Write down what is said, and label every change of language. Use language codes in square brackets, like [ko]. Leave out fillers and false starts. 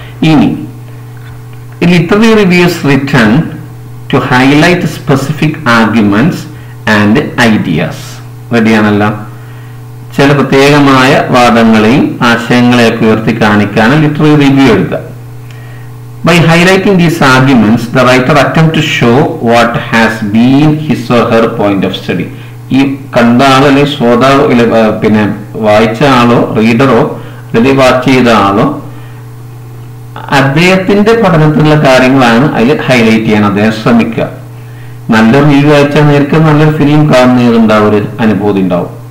[en] ഇനി literary reviews written to highlight specific arguments and ideas. [ml] റെഡിയാണല്ലോ. ചില പ്രത്യേകമായ വാദങ്ങളെയും ആശയങ്ങളെയൊക്കെ ഉയർത്തി കാണിക്കാനും ലിറ്ററി റിവ്യൂ എഴുതുക. [en] By highlighting these arguments, the writer attempts to show what has been his or her point of study. [ml] ഈ കണ്ട ആളല്ലെ ശ്രോതാവ് പിന്നെ വായിച്ച ആളോ റീഡറോ അല്ലെങ്കിൽ വാച്ച് ചെയ്ത ആളോ അദ്ദേഹത്തിന്റെ പഠനത്തിലുള്ള കാര്യങ്ങളാണ് അതിൽ ഹൈലൈറ്റ് ചെയ്യാൻ അദ്ദേഹം ശ്രമിക്കുക. നല്ലൊരു റിവ്യൂ വായിച്ചാൽ നേരത്തെ നല്ലൊരു ഫിലിം കാണുന്നതുണ്ടാവും, ഒരു അനുഭൂതി ഉണ്ടാവും.